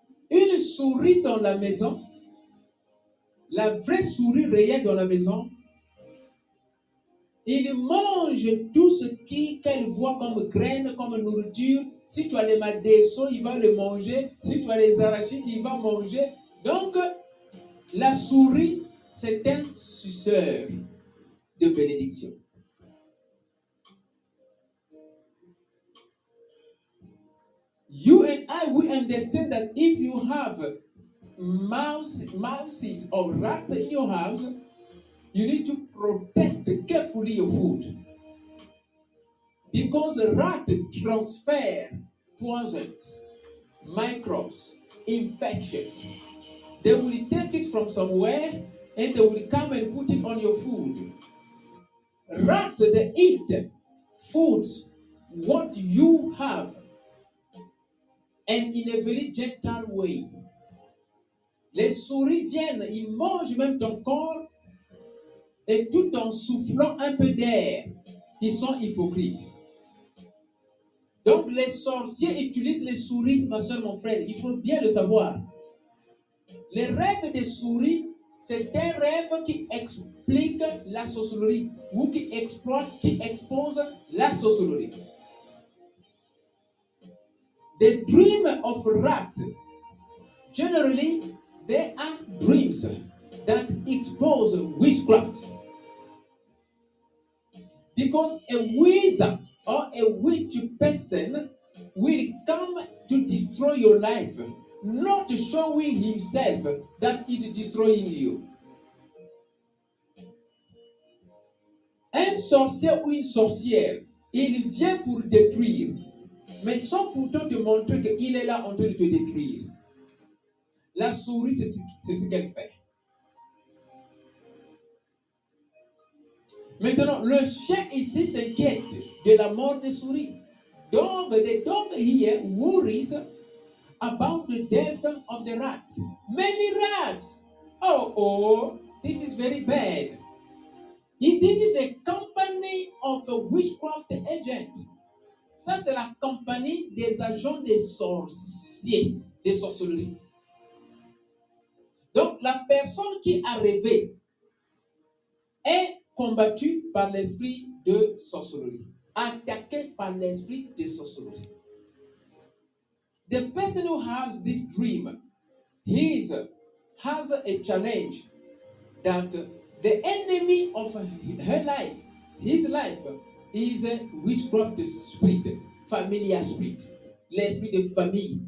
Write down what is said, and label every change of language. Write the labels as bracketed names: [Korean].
[French] Une souris dans la maison, la vraie souris réelle dans la maison, il mange tout ce qu'elle voit comme graines, comme nourriture. Si tu as les madessos, il va le manger. Si tu as les arachides, il va manger. Donc, la souris, c'est un suceur de bénédiction. [English] You and I, we understand that if you have mouses or rats in your house, you need to protect carefully your food. Because the rat transfer poisons, microbes, infections. They will take it from somewhere and they will come and put it on your food. Rats, they eat food, what you have, and in a very gentle way. [French] Les souris viennent, ils mangent même ton corps. Et tout en soufflant un peu d'air, ils sont hypocrites. Donc les sorciers utilisent les souris, ma soeur, mon frère. Il faut bien le savoir. Les rêves des souris, c'est un rêve qui explique la sorcellerie ou qui exploite, qui expose la sorcellerie. [English] The dream of rats, generally, they are dreams that expose witchcraft. Because a wizard or a witch person will come to destroy your life, not showing himself that is destroying you. [French] Un sorcier ou une sorcière, il vient pour détruire, mais sans pourtant te montrer qu'il est là en train de te détruire. La souris, c'est ce qu'elle fait. Maintenant, le chien ici s'inquiète de la mort des souris. [English] Donc, the dog here worries about the death of the rats. Many rats! Oh, this is very bad. This is a company of a witchcraft agent. [French] Ça, c'est la compagnie des agents des sorciers, des sorcelleries. Donc, la personne qui est arrivée est combattu par l'esprit de sorcellerie, attaqué par l'esprit de sorcellerie. [English] The person who has this dream, he has a challenge that the enemy of her life, his life, is a witchcraft spirit, familial spirit, [French] l'esprit de famille.